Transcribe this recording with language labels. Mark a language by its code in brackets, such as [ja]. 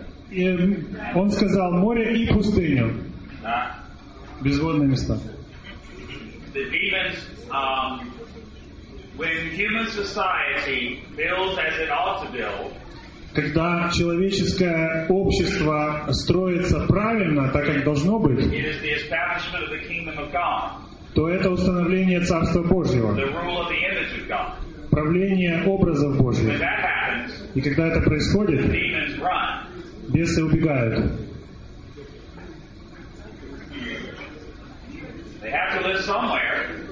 [ru] И он сказал море и пустыню. Безводные места. [en] The demons, when human society builds as it ought to build. [ru] Когда человеческое общество строится правильно, так как должно быть. [en] It is the establishment of the kingdom of God. [ru] То это установление Царства Божьего. [en] The rule of the image of God. [ru] Правление образов Божьих. [en] When that happens, [ru] и когда это происходит, [en] the demons run. [ru] Бесы убегают. [en] They have to live somewhere.